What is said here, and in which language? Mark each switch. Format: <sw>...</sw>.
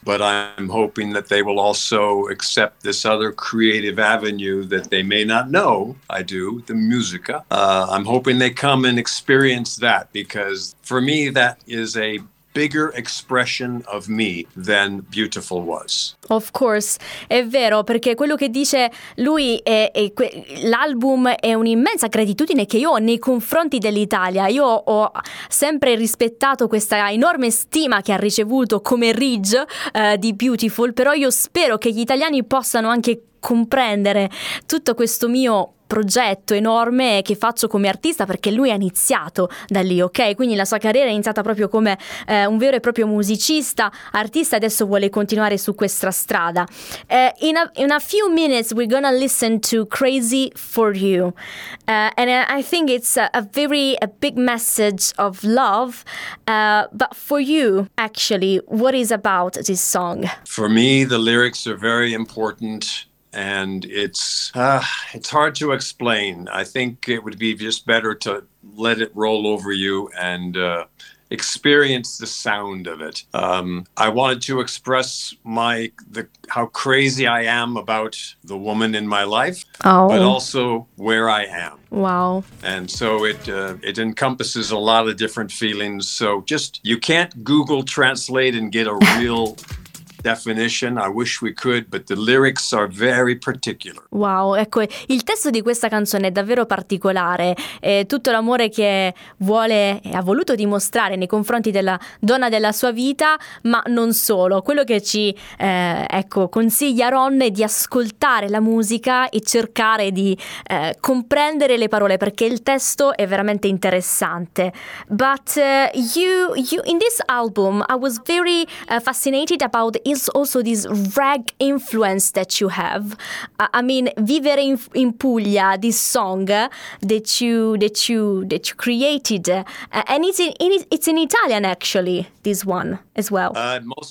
<en>But I'm hoping that they will also accept this other creative avenue that they may not know I do, the musica. I'm hoping they come and experience that, because for me, that is a bigger expression of me than beautiful was. Of course,</en> <it>è vero, perché quello che dice lui è l'album è un'immensa gratitudine che io ho nei confronti dell'Italia. Io ho sempre rispettato questa enorme stima che ha ricevuto come Ridge di Beautiful, però io spero che gli italiani possano anche comprendere tutto questo mio progetto enorme che faccio come artista, perché lui ha iniziato da lì, ok? Quindi la sua carriera è iniziata proprio come un vero e proprio musicista, artista, adesso vuole continuare su questa strada.</it> <en>In a few minutes we're gonna listen to Crazy For You, and I think it's a big message of love, but for you, actually, what is about this song? For me, the lyrics are very important. And it's hard to explain. I think it would be just better to let it roll over you and experience the sound of it. I wanted to express how crazy I am about the woman in my life, oh, but also where I am. Wow. And so it encompasses a lot of different feelings. So just, you can't Google translate and get a real definition. I wish we could, but the lyrics are very particular.</en> <it>Wow, ecco, il testo di questa canzone è davvero particolare. È tutto l'amore che vuole e ha voluto dimostrare nei confronti della donna della sua vita, ma non solo. Quello che ci consiglia Ron è di ascoltare la musica e cercare di comprendere le parole, perché il testo è veramente interessante.</it> <en>But you in this album, I was very fascinated about is also this rag influence that you have. I mean, vivere in Puglia, this song that you created, and it's in Italian, actually, this one as well.</en>